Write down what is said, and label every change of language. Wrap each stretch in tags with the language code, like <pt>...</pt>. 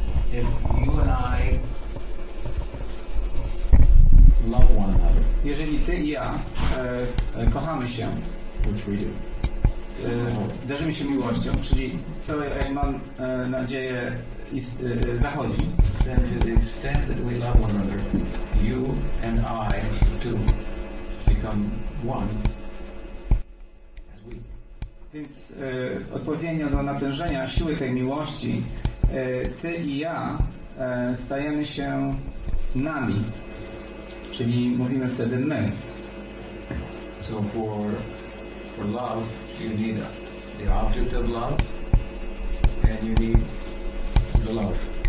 <en>If you and I love one another.</en> <pl>Jeżeli ty i ja kochamy się.</pl> <en>Which we do.</en> <pl>Darzymy się miłością, czyli co mam nadzieję zachodzi.</pl> <en>Then to the extent that we love one another, you and I too become one.</en> <pl>Więc odpowiednio do natężenia siły tej miłości, ty i ja stajemy się nami, czyli mówimy wtedy my.</pl> <en>So for love, you need the object of love, and you need the love.</en>